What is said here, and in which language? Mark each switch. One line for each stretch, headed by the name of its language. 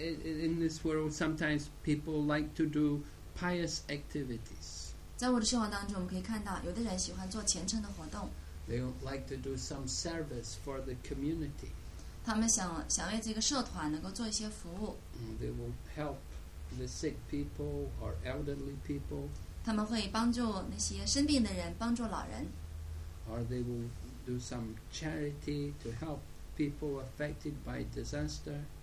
English: In this world, sometimes people like to do pious activities.
Chinese: 在我的生活当中，我们可以看到，有的人喜欢做虔诚的活动。
English: They like to do some service for the community.
Chinese: 他们想为这个社团能够做一些服务。
English: They will help the sick people or elderly people.
Chinese: 他们会帮助那些生病的人，帮助老人。
English: Or they will do some charity to help people affected by disaster.